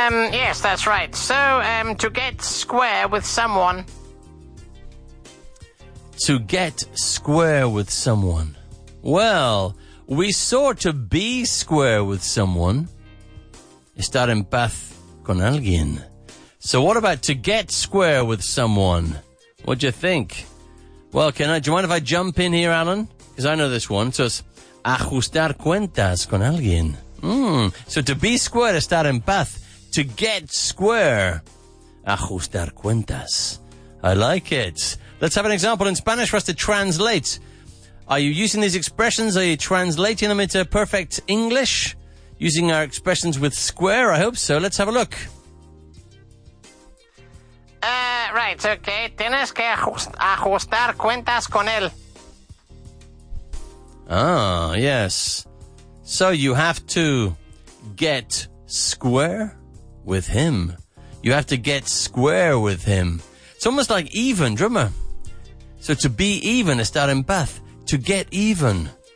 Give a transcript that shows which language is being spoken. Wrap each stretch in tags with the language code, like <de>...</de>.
<en>Yes, that's right. So, to get square with someone. To get square with someone. Well, we sort of be square with someone.</en> <es>Estar en paz con alguien.</es> <en>So what about to get square with someone? What do you think? Well, do you mind if I jump in here, Alan? Because I know this one. So it's</en> <es>ajustar cuentas con alguien.</es> <en>So to be square,</en> <es>estar en paz.</es> <en>To get square,</en> <es>ajustar cuentas.</es> <en>I like it. Let's have an example in Spanish for us to translate. Are you using these expressions? Are you translating them into perfect English? Using our expressions with square, I hope so. Let's have a look. Right, okay.</en> <es>Tienes que ajustar cuentas con él.</es> <en>Ah, yes. So you have to get square with him. You have to get square with him. It's almost like even, drummer. So to be even,</en> <es>estar en paz.</es> <en>To get even.</en>